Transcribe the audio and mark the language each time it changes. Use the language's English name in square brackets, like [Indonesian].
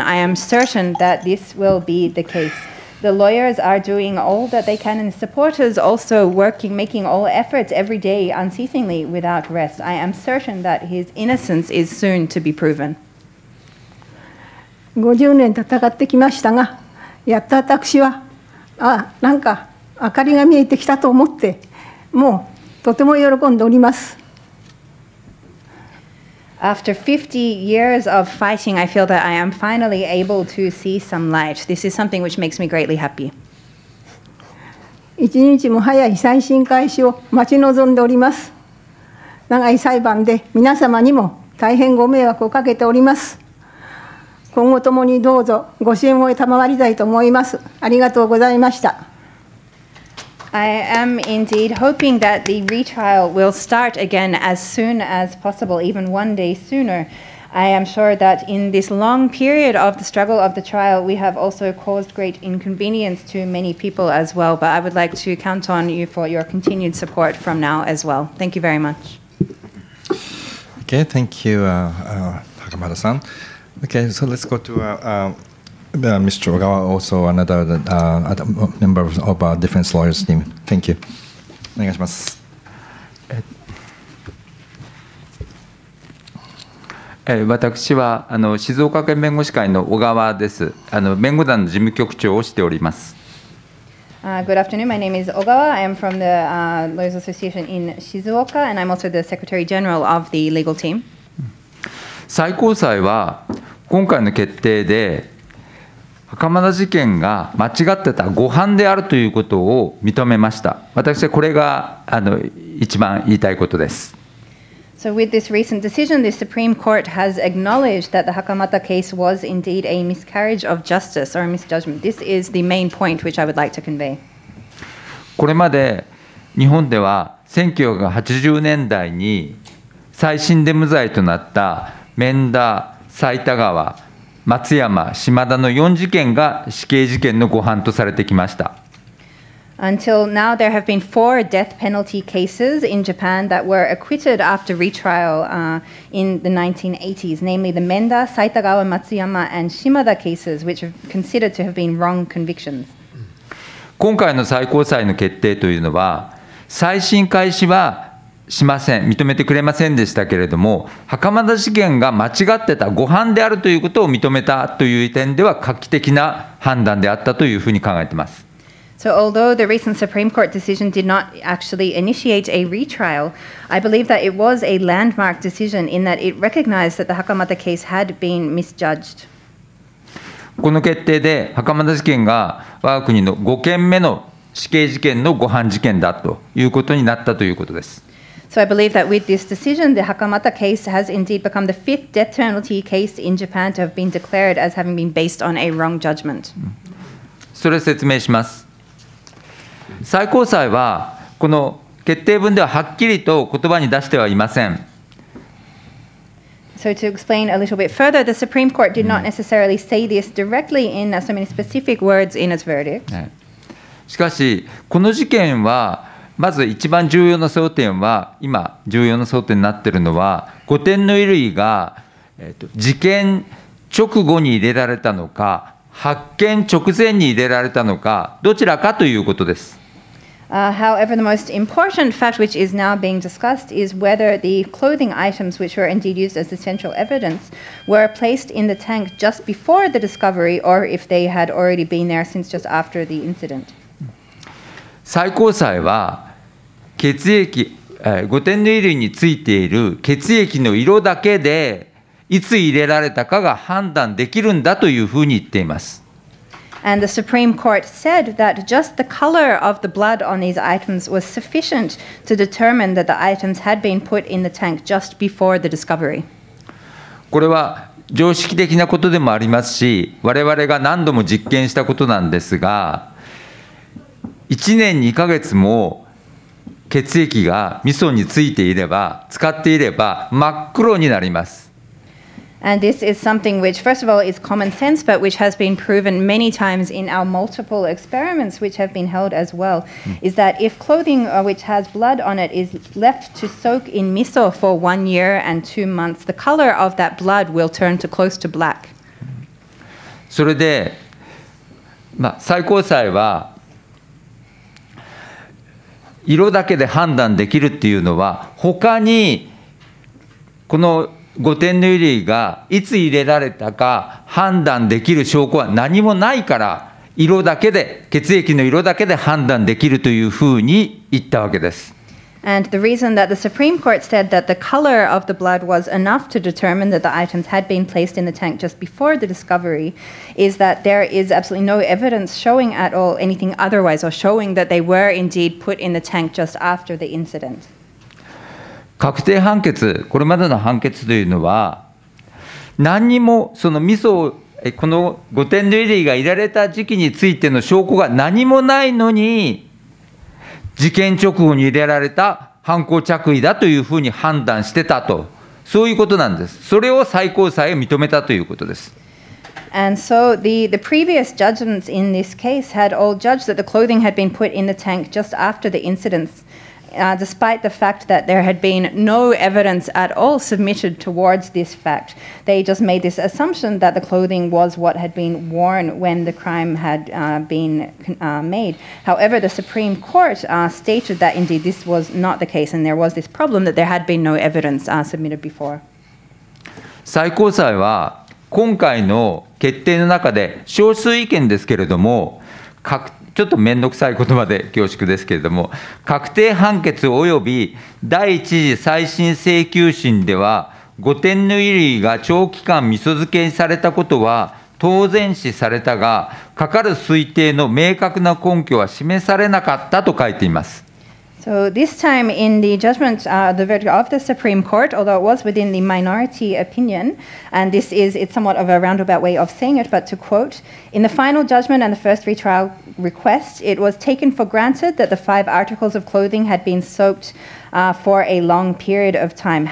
[English] I am certain that this will be the case. The lawyers are doing all that they can, and supporters also working, making all efforts every day, unceasingly, without rest. I am certain that his innocence is soon to be proven. [Japanese] 50年戦ってきましたが、やっと私は、なんか明かりが見えてきたと思って、もうとても喜んでおります。 [English] After 50 years of fighting, I feel that I am finally able to see some light. This is something which makes me greatly happy. [Japanese] 一日も早い再審開始を待ち望んでおります。長い裁判で皆様にも大変ご迷惑をかけております。今後ともにどうぞご支援を賜りたいと思います。ありがとうございました。 [English] I am indeed hoping that the retrial will start again as soon as possible, even one day sooner. I am sure that in this long period of the struggle of the trial, we have also caused great inconvenience to many people as well. But I would like to count on you for your continued support from now as well. Thank you very much. Okay, thank you, Hakamada-san. Okay, so let's go to... Mr. Ogawa, also another member of our defense lawyers team. Thank you. [Japanese] お願いします。私は静岡県弁護士会の小川です。弁護団の事務局長をしております。 [English] Good afternoon. My name is Ogawa. I am from the Lawyers Association in Shizuoka, and I'm also the Secretary General of the Legal Team. [Japanese] 最高裁は今回の決定で袴田事件が間違ってた誤判であるということを認めました。私はこれが一番言いたいことです。 [English] So with this recent decision, the Supreme Court has acknowledged that the Hakamata case was indeed a miscarriage of justice or a misjudgment. This is the main point which I would like to convey. [Japanese] これまで日本では1980年代に再審で無罪となった免田、斉田川、松山、島田の4事件が死刑事件の誤判とされてきました。 [English] Until now, there have been four death penalty cases in Japan that were acquitted after retrial in the 1980s, namely the Menda, Saitagawa, Matsuyama, and Shimada cases, which are considered to have been wrong convictions. [Japanese] 今回の最高裁の決定というのは、再審開始はしません、認めてくれませんでしたけれども、袴田事件が間違ってた誤判であるということを認めたという点では画期的な判断であったというふうに考えています。 [English] So although the recent Supreme Court decision did not actually initiate a retrial, I believe that it was a landmark decision in that it recognized that the Hakamata case had been misjudged. [Japanese] この決定で袴田事件が我が国の5件目の死刑事件の誤判事件だということになったということです。 [English] So I believe that with this decision, the Hakamata case has indeed become the fifth death penalty case in Japan to have been declared as having been based on a wrong judgment. [Japanese] それを説明します。最高裁はこの決定文でははっきりと言葉に出してはいません。 [English] So to explain a little bit further, the Supreme Court did not necessarily say this directly in so many specific words in its verdict. [Japanese] しかし、この事件はまず一番重要な争点は、今重要な争点になっているのは、5点の衣類が事件直後に入れられたのか、発見直前に入れられたのか、どちらかということです。 [English] However, the most important fact which is now being discussed is whether the clothing items which were indeed used as essential evidence were placed in the tank just before the discovery or if they had already been there since just after the incident. [Japanese] 最高裁は血液、五点の衣類についている血液の色だけでいつ入れられたかが判断できるんだというふうに言っています。 [English] And the Supreme Court said that just the color of the blood on these items was sufficient to determine that the items had been put in the tank just before the discovery. [Japanese] これは常識的なことでもありますし、我々が何度も実験したことなんですが、1年2ヶ月も血液が味噌についていれば、使っていれば真っ黒になります。 [English] And this is something which, first of all, is common sense, but which has been proven many times in our multiple experiments, which have been held as well, is that if clothing which has blood on it is left to soak in miso for 1 year and 2 months, the color of that blood will turn to close to black. [Japanese] それで、まあ、最高裁は色だけで判断できるっていうのは、他にこの五点の衣類がいつ入れられたか判断できる証拠は何もないから、色だけで、血液の色だけで判断できるというふうに言ったわけです。 [English] And the reason that the Supreme Court said that the color of the blood was enough to determine that the items had been placed in the tank just before the discovery is that there is absolutely no evidence showing at all anything otherwise or showing that they were indeed put in the tank just after the incident. [Japanese] 確定判決、これまでの判決というのは、何にもその味噌を、この五点の衣類がいられた時期についての証拠が何もないのに、事件直後に入れられた犯行着衣だというふうに判断してたと、そういうことなんです。それを最高裁は認めたということです。 [English] And so the previous judgments in this case had all judged that the clothing had been put in the tank just after the incidentsDespite the fact that there had been no evidence at all submitted towards this fact, they just made this assumption that the clothing was what had been worn when the crime had been made. However, the Supreme Court stated that indeed this was not the case and there was this problem that there had been no evidence submitted before. [Japanese] 最高裁は今回の決定の中で少数意見ですけれども、ちょっと面倒くさい言葉で恐縮ですけれども、確定判決および第一次再審請求審では御殿の入りが長期間みそ漬けにされたことは当然視されたが、かかる推定の明確な根拠は示されなかったと書いています。 [English] So this time in the judgment, the verdict of the Supreme Court, although it was within the minority opinion, and this is, it's somewhat of a roundabout way of saying it, but to quote, in the final judgment and the first retrial request, it was taken for granted that the five articles of clothing had been soaked for a long period of time.